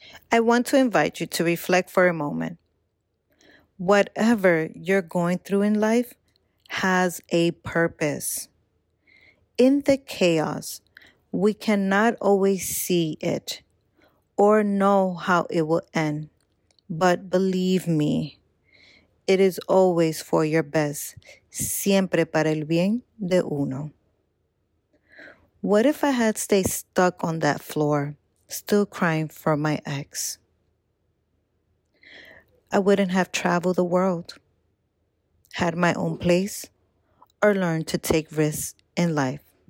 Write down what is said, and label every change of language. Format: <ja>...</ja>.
<en>I want to invite you to reflect for a moment. Whatever you're going through in life has a purpose. In the chaos, we cannot always see it or know how it will end. But believe me, it is always for your best.</en> <es>Siempre para el bien de uno.</es> <en>What if I had stayed stuck on that floor, still crying for my ex? I wouldn't have traveled the world, had my own place, or learned to take risks in life.</en>